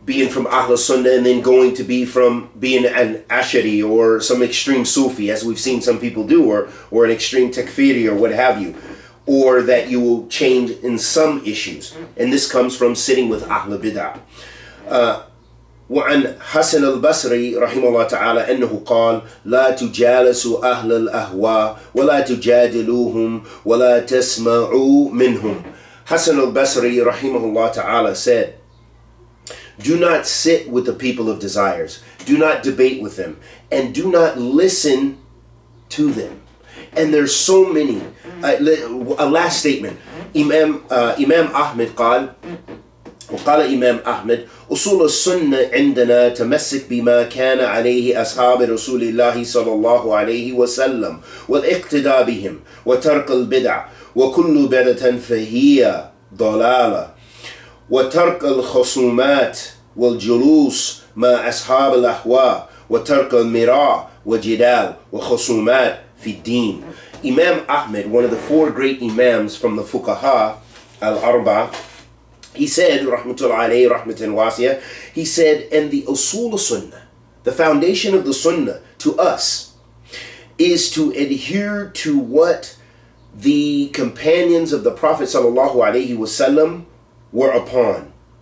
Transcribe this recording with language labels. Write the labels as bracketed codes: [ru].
[en] being from Ahl Sunnah and then going to be from being an Ashari or some extreme Sufi, as we've seen some people do, or an extreme Takfiri or what have you, or that you will change in some issues. And this comes from sitting with Ahl Bid'ah. [ar] وعن حسن البصري رحمه الله تعالى أنه قال لا تجالسوا أهل الأهواء ولا تجادلوهم ولا تسمعوا منهم. [en] Hasan al-Basri rahimahullah ta'ala said, do not sit with the people of desires, do not debate with them, and do not listen to them. And there's so many. A last statement, Imam Ahmed [ar] قال, وقال إمام أحمد أصول السنة عندنا تمسك بما كان عليه أصحاب رسول الله صلى الله عليه وسلم والاقتداء بهم وترك البدع وكل بدعة فهي ضلالة وترك الخصومات والجلوس مع أصحاب الأهواء وترك المراء وجدال وخصومات في الدين. [en] إمام أحمد, one of the four great imams from the fuqaha al-arba, he said, Rahmatul Alay, Rahmatin Wasiya, he said, and the Usul Sunnah, the foundation of the Sunnah to us, is to adhere to what the companions of the Prophet Sallallahu Alaihi Wasallam were upon.